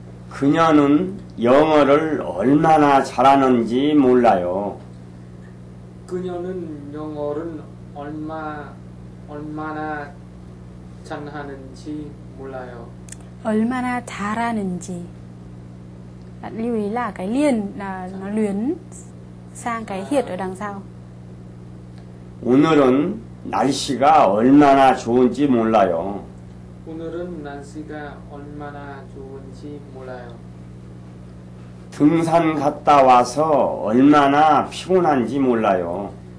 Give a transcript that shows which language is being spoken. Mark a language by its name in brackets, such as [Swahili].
[Korean] 그녀는 영어를 얼마나 잘하는지 몰라요. 그녀는 영어를 얼마나 잘하는지 몰라요. 얼마나 잘하는지. [Vietnamese] Bạn lưu ý là cái liền là nó luyến sang cái hiệt ở đằng sau. [Korean] 오늘은 날씨가 얼마나 좋은지 몰라요. 오늘은 날씨가 얼마나 좋은지 몰라요. 등산 갔다 와서 얼마나 피곤한지 몰라요.